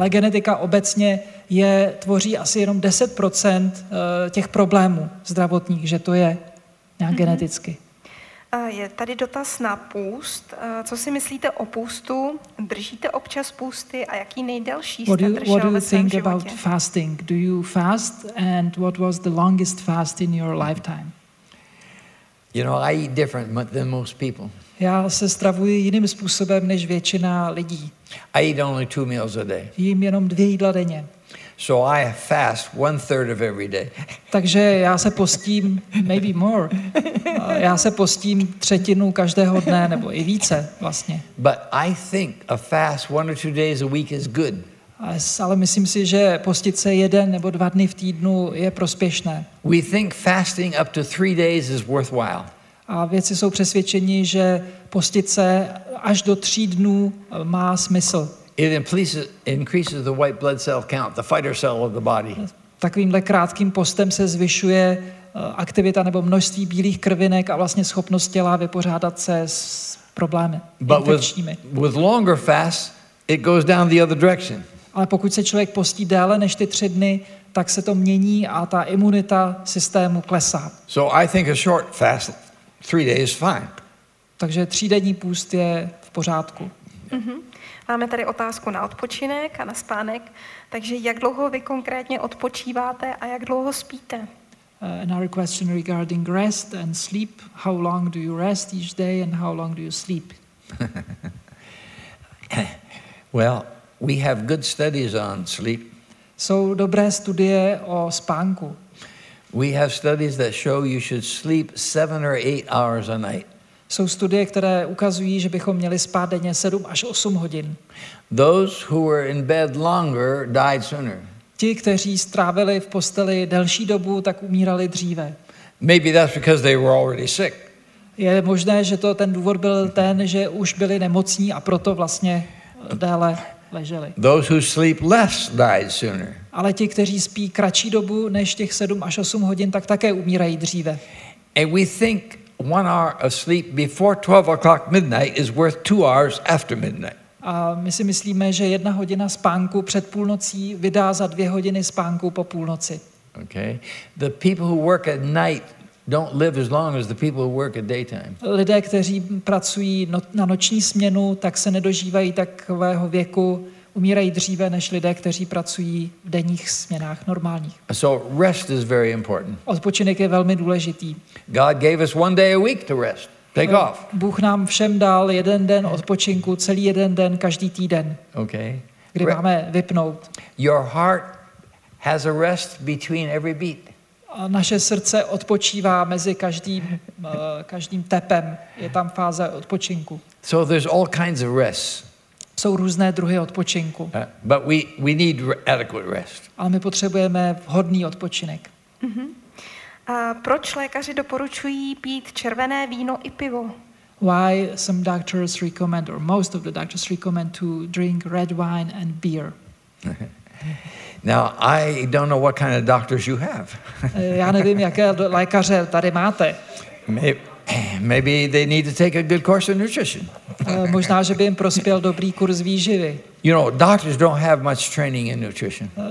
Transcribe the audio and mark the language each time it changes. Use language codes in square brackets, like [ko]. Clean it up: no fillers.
[cs] Ale genetika obecně tvoří asi jenom 10% těch problémů zdravotních, že to je nějak geneticky. Je tady dotaz na půst. Co si myslíte o půstu? Držíte občas půsty a jaký nejdelší jste držel ve svém životě? [en] What do you think about fasting? Do you fast and what was the longest fast in your lifetime? You know, I eat different than most people. [cs] Já se stravuji jiným způsobem než většina lidí. [en] I eat only two meals a day. [cs] Jím jenom dvě jídla denně. [en] So I fast one third of every day. [cs] Takže já se postím, [en] maybe more. [cs] Já se postím třetinu každého dne nebo i více vlastně. [en] But I think a fast one or two days a week is good. [cs] Ale myslím si, že postit se jeden nebo dva dny v týdnu je prospěšné. [en] We think fasting up to 3 days is worthwhile. [cs] A vědci jsou přesvědčeni, že postit se až do 3 dnů má smysl. [en] It increases the white blood cell count, the fighter cell of the body. [cs] Takovýmhle krátkým postem se zvyšuje aktivita nebo množství bílých krvinek a vlastně schopnost těla vypořádat se s problémy infekčními. [en] With longer fast, it goes down the other direction. [cs] Ale pokud se člověk postí déle než ty 3 dny, tak se to mění a ta imunita systému klesá. [en] So I think a short fast, 3 days is fine. [cs] Takže 3denní půst je v pořádku. Mm-hmm. Máme tady otázku na odpočinek a na spánek. Takže jak dlouho vy konkrétně odpočíváte a jak dlouho spíte? [en] Another question regarding rest and sleep. How long do you rest each day and how long do you sleep? Well, we have good studies on sleep. [cs] Jsou dobré studie o spánku. [en] We have studies that show you should sleep 7 or 8 hours a night. [cs] Jsou studie, které ukazují, že bychom měli spát denně 7 až 8 hodin. [en] Those who were in bed longer died sooner. [cs] Ti, kteří strávili v posteli delší dobu, tak umírali dříve. [en] Maybe that's because they were already sick. [cs] Je možné, že to ten důvod byl ten, že už byli nemocní a proto vlastně déle leželi. [en] Those who sleep less died sooner. [cs] Ale ti, kteří spí kratší dobu než těch 7 až 8 hodin, tak také umírají dříve. [en] And we think 1 hour of sleep before 12 o'clock midnight is worth 2 hours after midnight. [cs] A my si myslíme, že jedna hodina spánku před půlnocí vydá za 2 hodiny spánku po půlnoci. Okay. [en] The people who work at night don't live as long as the people who work at daytime. [cs] Lidé, kteří pracují na noční směnu, tak se nedožívají takového věku, umírají dříve než lidé, kteří pracují v denních směnách normálních. [en] So rest is very important. [cs] Odpočinek je velmi důležitý. [en] God gave us one day a week to rest. Take off. [cs] Bůh nám všem dal jeden den odpočinku, celý jeden den každý týden. Okay. Kdy máme vypnout. [en] Your heart has a rest between every beat. [cs] A naše srdce odpočívá mezi každým tepem. Je tam fáze odpočinku. [en] So there's all kinds of rest. [cs] Jsou různé druhy odpočinku. [en] But we need adequate rest. [cs] Ale my potřebujeme vhodný odpočinek. Uh-huh. A proč lékaři doporučují pít červené víno i pivo? [en] Why some doctors recommend, or most of the doctors recommend, to drink red wine and beer? Now, I don't know what kind of doctors you have. [cs] Já nevím, jaké lékaře tady máte. [en] Maybe they need to take a good course in nutrition. [cs] Možná, že by jim prospěl dobrý kurz výživy. [en] You know, doctors don't have much training in nutrition.